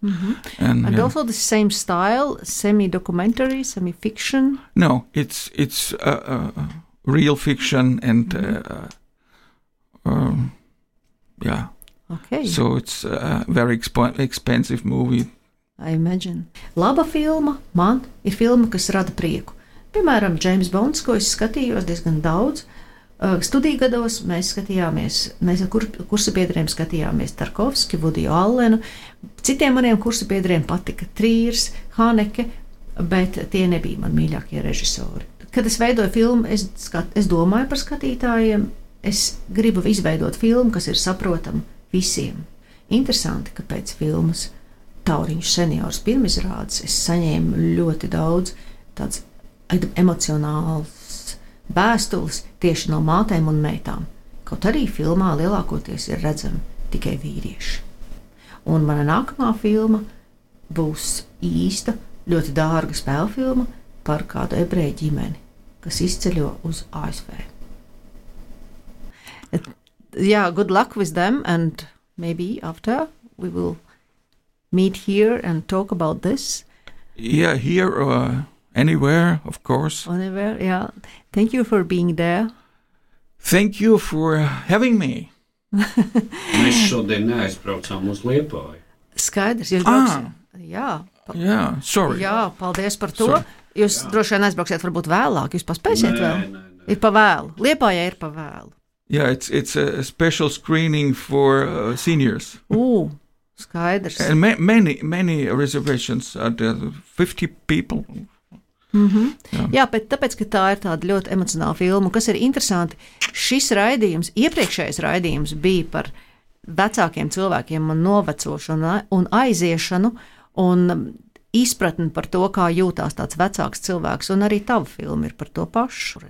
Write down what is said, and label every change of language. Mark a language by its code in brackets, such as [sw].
[en] Mm-hmm. And yeah. Also the same style, semi-documentary, semi-fiction? No, it's real fiction and, mm-hmm. Yeah. Okay. So it's a very expensive movie. I imagine. [lv] Laba filma, man, ir filma, kas rada prieku. Piemēram, James Bonds, ko es skatījos diezgan daudz, studiju gados mēs skatījāmies, mēs ar kursabiedriem skatījāmies Tarkovski, Woody Allenu, citiem maniem kursabiedriem patika Trīrs, Haneke, bet tie nebija mani mīļākie režisori. Kad es veidoju filmu, es domāju par skatītājiem, es gribu izveidot filmu, kas ir saprotama visiem. Interesanti, ka pēc filmas Tauriņš seniors pirmizrādes es saņēmu ļoti daudz tāds emocionāls vēstules tieši no mātēm un meitām, kaut arī filmā lielākoties ir redzami tikai vīrieši. Un mana nākamā filma būs īsta, ļoti dārga spēlfilma par kādu ebreju ģimeni, kas izceļo uz ASV. [en] Yeah, good luck with them, and maybe after we will meet here and talk about this. Yeah, here or... anywhere, of course. Anywhere, yeah. Thank you for being there. Thank you for having me. [lv] Mēs šodien neaizbraucām uz Liepāju. Skaidrs, jūs brauksiet. Jā. Jā, sorry. Jā, paldies par to. Sorry. Jūs jā. Droši vien aizbrauksiet varbūt vēlāk, jūs paspēsiet vēl. Nē. Ir pa vēlu. Liepāja ir pa vēlu. Jā, [en] yeah, it's a special screening for seniors. [lv] Skaidrs. [en] And many reservations at 50 people. Mm-hmm. [lv] Jā, bet tāpēc, ka tā ir tāda ļoti emocionāla filma, kas ir interesanti, šis raidījums, iepriekšējais raidījums bija par vecākiem cilvēkiem un novecošanu un aiziešanu un izpratni par to, kā jūtās tāds vecāks cilvēks, un arī tava filma ir par to pašu.